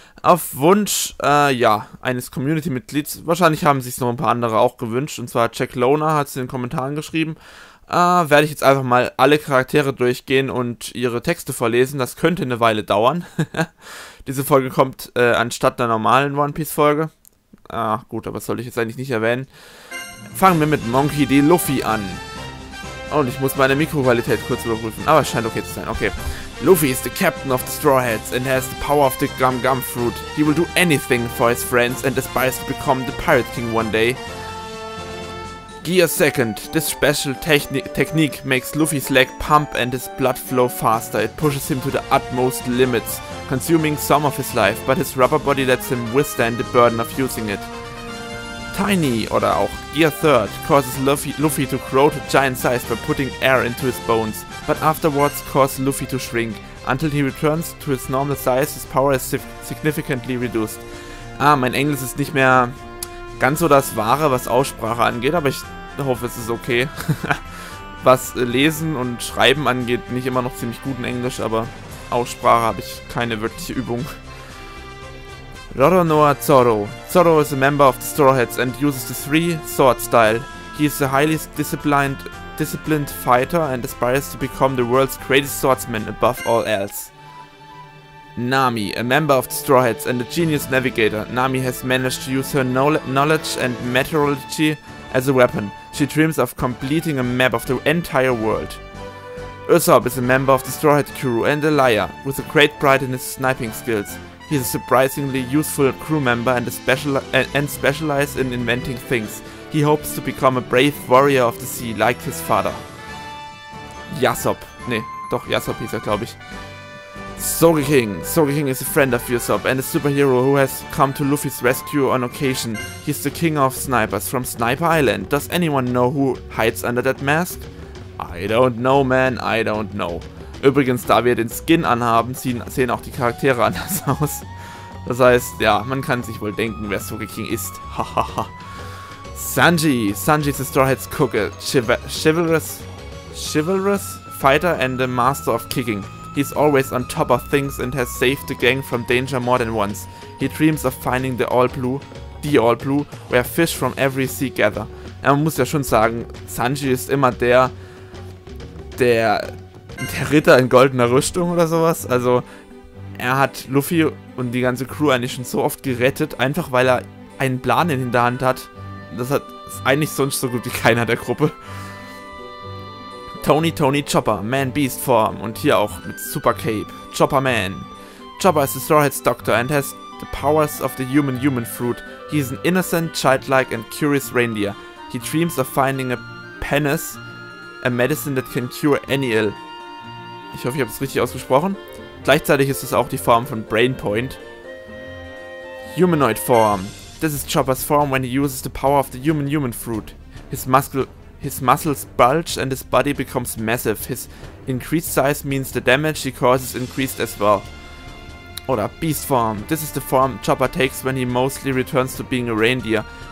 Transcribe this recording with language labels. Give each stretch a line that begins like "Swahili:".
German: Auf Wunsch, eines Community-Mitglieds, wahrscheinlich haben sich's noch ein paar andere auch gewünscht, und zwar Jack Loner hat es in den Kommentaren geschrieben, werde ich jetzt einfach mal alle Charaktere durchgehen und ihre Texte vorlesen, das könnte eine Weile dauern. Diese Folge kommt anstatt der normalen One Piece-Folge. Ah, gut, aber das sollte ich jetzt eigentlich nicht erwähnen. Fangen wir mit Monkey D. Luffy an. Und ich muss meine Mikroqualität kurz überprüfen, aber es scheint okay zu sein. Okay.
English: Luffy is the captain of the Straw Hats and has the power of the Gum Gum Fruit. He will do anything for his friends and aspires to become the Pirate King one day. Gear second. This special technique makes Luffy's leg pump and his blood flow faster. It pushes him to the utmost limits, consuming some of his life, but his rubber body lets him withstand the burden of using it. Tiny,
German: oder auch
English: Gear Third, causes Luffy to grow to giant size by putting air into his bones, but afterwards causes Luffy to shrink. Until he returns to his normal size, his power is significantly reduced.
German: Ah, mein Englisch ist nicht mehr ganz so das Wahre, was Aussprache angeht, aber ich hoffe, es ist okay. Was Lesen und Schreiben angeht, bin ich immer noch ziemlich gut in Englisch, aber Aussprache habe ich keine wirkliche Übung. Roronoa Zoro.
English: Zoro is a member of the Straw Hats and uses the three sword style. He is a highly disciplined fighter and aspires to become the world's greatest swordsman above all else. Nami, a member of the Straw Hats and a genius navigator. Nami has managed to use her knowledge and meteorology as a weapon. She dreams of completing a map of the entire world. Usopp is a member of the Straw Hat crew and a liar, with a great pride in his sniping skills. He is a surprisingly useful crew member and specialized in inventing things. He hopes to become a brave warrior of the sea, like his father.
German: Yasop hieß er, glaube ich. Sogeking.
English: Sogeking is a friend of Usopp and a superhero who has come to Luffy's rescue on occasion. He is the king of snipers from Sniper Island. Does anyone know who hides under that mask? I don't know, man, I don't know.
German: Übrigens, da wir den Skin anhaben, sehen auch die Charaktere anders aus. Das heißt, ja, man kann sich wohl denken, wer Sogeking ist.
English: Sanji. Sanji is a Straw Hat's cook, a chivalrous fighter and a master of kicking. He's always on top of things and has saved the gang from danger more than once. He dreams of finding the All Blue, where fish from every sea gather.
German: Ja, man muss ja schon sagen, Sanji ist immer der Ritter in goldener Rüstung oder sowas. Also, er hat Luffy und die ganze Crew eigentlich schon so oft gerettet, einfach weil er einen Plan in der Hand hat. Das hat eigentlich sonst so gut wie keiner der Gruppe. Tony Chopper, Man-Beast-Form und hier auch mit Super-Cape, Chopper-Man. Chopper ist der
English: Straw Hat's Doctor
German: und hat die
English: Powers of the Human Fruit. He is an innocent, childlike and curious reindeer. He dreams of finding a penis, a medicine that can cure any ill.
German: Ich hoffe, ich habe es richtig ausgesprochen. Gleichzeitig ist es auch die Form von Brain Point. Humanoid Form.
English: This is Chopper's form when he uses the power of the human fruit. His muscles bulge and his body becomes massive. His increased size means the damage he causes increased as well. Oder Beast Form. This is the form Chopper takes when he mostly returns to being a reindeer.